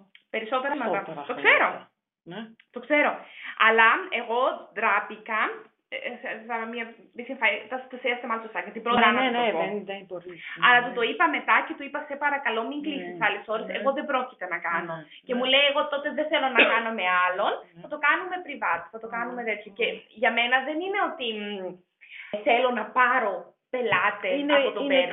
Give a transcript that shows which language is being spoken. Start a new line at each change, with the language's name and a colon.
Greek: περισσότερα μαζά. Το ξέρω. Ναι. Το ξέρω. Αλλά εγώ ντράπηκα
German: Es war mir ein bisschen falsch, das das erste Mal zu sagen.
Greek: Την πρώτη Ναι, να ναι, το πω. Δεν μπορείς. Αλλά του το είπα μετά και του είπα: Σε παρακαλώ, μην κλείσεις άλλες ώρες. Εγώ δεν πρόκειται να κάνω. Και μου λέει: Εγώ τότε δεν θέλω να κάνω με άλλον. Θα το κάνουμε privat. Θα το κάνουμε τέτοιο. Και για μένα δεν είναι ότι θέλω να πάρω πελάτε από τον Μπέρλι.